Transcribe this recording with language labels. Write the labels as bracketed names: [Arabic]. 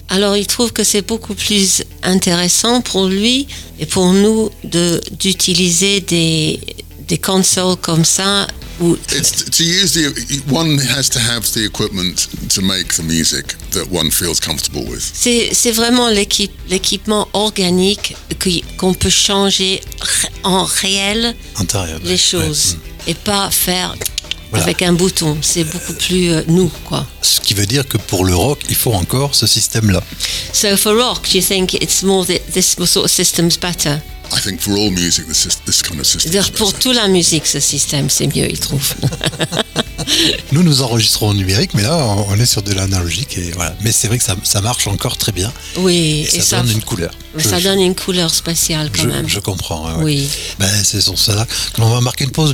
[French] Alors, il trouve que c'est beaucoup plus intéressant pour lui et pour nous d'utiliser des consoles comme ça. [English] One has to have the equipment to make the music that one feels comfortable with. [French] C'est vraiment l'équipement organique qu'on peut changer en réel les choses et pas faire. Voilà. Avec un bouton, c'est beaucoup plus nous, quoi. Ce qui veut dire que pour le rock, il faut encore ce système-là. [English] So for rock, do you think it's more that this sort of system's better? I think for all music, this kind of system. [French] C'est-à-dire pour toute la musique, ce système, c'est mieux, il trouve. Nous enregistrons en numérique, mais là, on est sur de l'analogique et voilà. Mais c'est vrai que ça marche encore très bien. Oui, et ça donne une couleur. Ça donne une couleur spéciale quand même. Je comprends. Ouais. Oui. Ben c'est sur cela qu'on va marquer une pause.